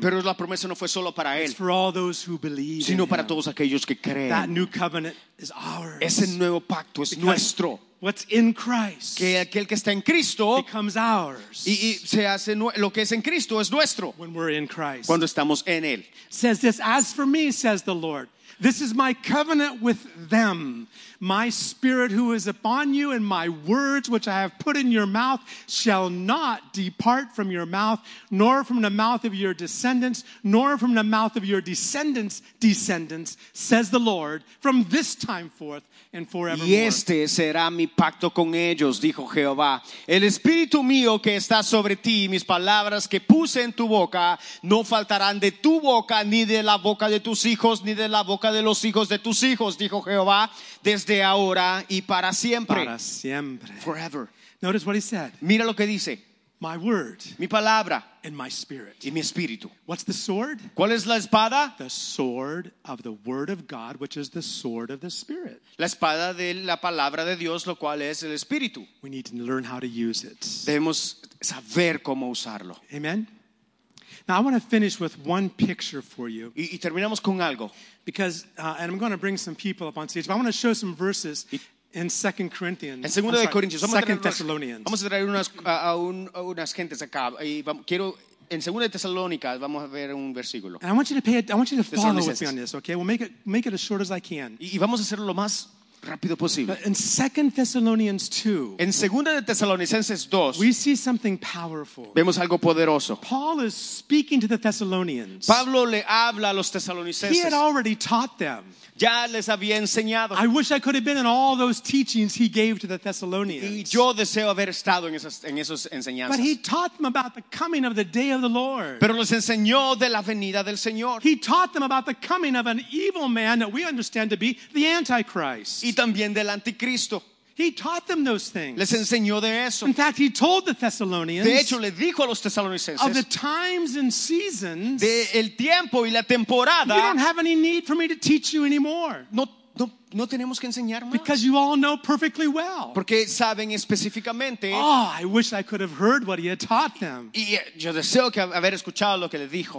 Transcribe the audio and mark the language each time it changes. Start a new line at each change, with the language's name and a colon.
Spanish: Pero la promesa no fue solo para él.
English: It's for all those who believe.
Spanish: Sino
English: in
Spanish: para
English: him.
Spanish: Todos aquellos que creen.
English: That new covenant is ours.
Spanish: Ese nuevo pacto es
English: because
Spanish: nuestro.
English: What's in Christ?
Spanish: Que aquel que está en Cristo
English: becomes ours.
Spanish: Y se hace lo que es en Cristo es nuestro.
English: When we're in Christ.
Spanish: Cuando estamos en él.
English: Says this, as for me, says the Lord, this is my covenant with them. My spirit who is upon you and my words which I have put in your mouth shall not depart from your mouth, nor from the mouth of your descendants, nor from the mouth of your descendants' descendants, says the Lord, from this time forth and forevermore.
Spanish: Y este será mi pacto con ellos, dijo Jehová. El espíritu mío que está sobre ti, mis palabras que puse en tu boca, no faltarán de tu boca, ni de la boca de tus hijos, ni de la boca de los hijos de tus hijos, dijo Jehová, desde ahora y para siempre. Para siempre.
English: Forever. Notice what he said.
Spanish: Mira lo que dice.
English: My word.
Spanish: Mi palabra.
English: And my spirit.
Spanish: Y mi espíritu.
English: What's the sword?
Spanish: ¿Cuál es la espada?
English: The sword of the word of God, which is the sword of the spirit.
Spanish: La espada de la palabra de Dios, lo cual es el espíritu.
English: We need to learn how to use it.
Spanish: Debemos saber cómo usarlo.
English: Amen. Now I want to finish with one picture for you.
Spanish: Y terminamos con algo.
English: Because, and I'm going to bring some people up on stage, but I want to show some verses in 2 Corinthians.
Spanish: En segundo de Corintios, vamos
English: 2 Thessalonians.
Spanish: Vamos a traer unas gentes acá. Y quiero, en segundo de Tesalónica, vamos a ver un versículo.
English: And I want you to follow with me on this, okay? We'll make it as short as I can.
Spanish: Y vamos a hacerlo lo más rápido posible.
English: But in 2 Thessalonians 2,
Spanish: en segunda de Tesalonicenses 2,
English: we see something powerful.
Spanish: Vemos algo poderoso.
English: Paul is speaking to the Thessalonians.
Spanish: Pablo le habla a los tesalonicenses.
English: He had already taught them.
Spanish: Ya les había enseñado.
English: I wish I could have been in all those teachings he gave to the Thessalonians.
Spanish: Y yo deseo haber estado en esas, en esos enseñanzas.
English: But he taught them about the coming of the day of the Lord.
Spanish: Pero les enseñó de la venida del Señor.
English: He taught them about the coming of an evil man that we understand to be the Antichrist.
Spanish: Y también del Anticristo.
English: He taught them those things.
Spanish: Les enseñó de eso.
English: In fact, he told the Thessalonians,
Spanish: de hecho, le dijo a los tesalonicenses,
English: of the times and seasons,
Spanish: de el tiempo y la temporada,
English: you don't have any need for me to teach you anymore.
Spanish: No tenemos que enseñar más.
English: Because you all know perfectly well.
Spanish: Porque saben específicamente.
English: Oh, I wish I could have heard what he had taught them.
Spanish: Y yo deseo que haber escuchado lo que le dijo.